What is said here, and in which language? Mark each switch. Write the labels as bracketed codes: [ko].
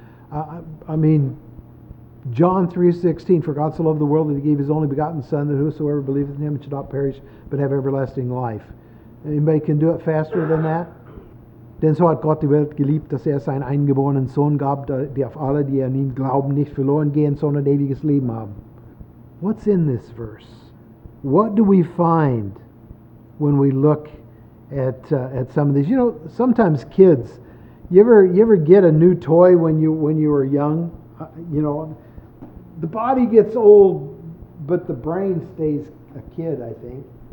[en] I mean, John 3:16, for God so loved the world that he gave his only begotten Son, that whosoever believeth in him should not perish but have everlasting life. Anybody can do it faster than that? [de] Denn so hat Gott die Welt geliebt, dass er seinen eingeborenen Sohn gab, der auf alle, die an ihn glauben, nicht verloren gehen, sondern ewiges Leben haben. [en] What's in this verse? What do we find when we look at some of these? You know, sometimes kids, you ever get a new toy when you were young? You know, the body gets old, but the brain stays a kid, I think.